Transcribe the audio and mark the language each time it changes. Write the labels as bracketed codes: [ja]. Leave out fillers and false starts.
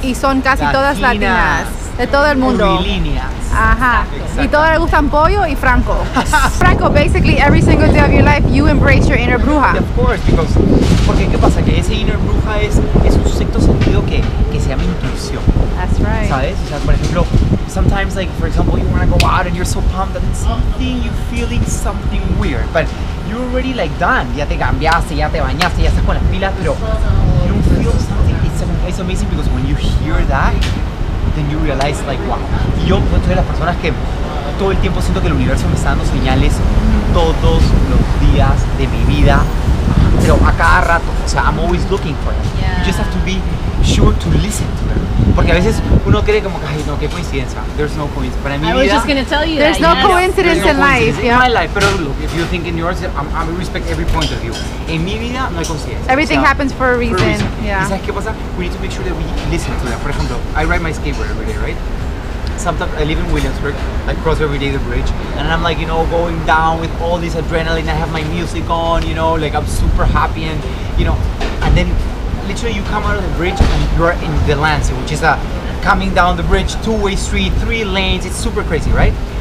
[es] Y son casi todas latinas. De todo el mundo. Curvilíneas. Ajá. Y todas les gustan pollo y Franco. [en] Franco, basically every single day of your life you embrace your inner bruja. Of course, [es] porque ¿qué pasa? Que ese [en] inner bruja [es] es un sexto sentido que se llama intuición. [en] That's right. [es] ¿Sabes? O sea, por ejemplo, [en] sometimes, like, for example, you want to go out and you're so pumped and something, you're feeling something weird. But you're already, like, done. [es] Ya te cambiaste, ya te bañaste, ya estás con las pilas, pero [en] you don't feel something. It's amazing because when you hear that, then you realize, like, wow. [es] Yo soy de las personas que todo el tiempo siento que el universo me está dando señales todos los días de mi vida, pero a cada rato. O sea, [en] I'm always looking for it. You just have to be sure to listen to them. [es] Porque a veces uno cree como que, ay, no, qué coincidencia. [en] There's no coincidence. But I was just going to tell you there's that. No, yes. There's no coincidence in life. But look, if you think in yours, I respect every point of view. [es] En mi vida, no hay coincidencia. [en] Everything happens for a reason. For a reason. Yeah. [es] ¿Y sabes qué pasa? [en] We need to make sure that we listen to them. For example, I ride my skateboard every day, right? Sometimes I live in Williamsburg, I cross every day the bridge, and I'm like, you know, going down with all this adrenaline. I have my music on, you know, like I'm super happy, and, you know, and then literally you come out of the bridge and you're in Delancey, which is a coming down the bridge, two-way street, three lanes. It's super crazy, right?